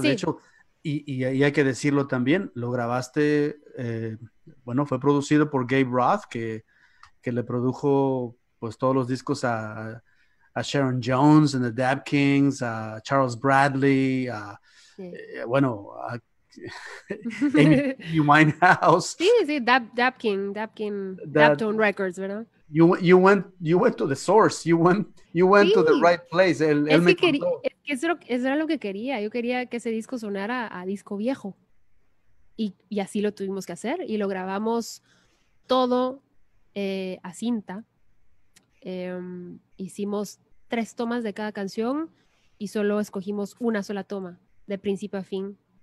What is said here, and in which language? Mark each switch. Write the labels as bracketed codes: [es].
[es] Sí. De hecho, y hay que decirlo también, lo grabaste, bueno, fue producido por Gabe Roth, que le produjo pues todos los discos a Sharon Jones and the Dab Kings, a Charles Bradley, a, sí. Bueno, a Amy Winehouse. Sí, Dabtone Records, ¿verdad? [en] You went to the source, you went sí. To the right place. [es] Eso era lo que quería, yo quería que ese disco sonara a disco viejo, y así lo tuvimos que hacer, y lo grabamos todo a cinta. Hicimos 3 tomas de cada canción y solo escogimos una sola toma de principio a fin.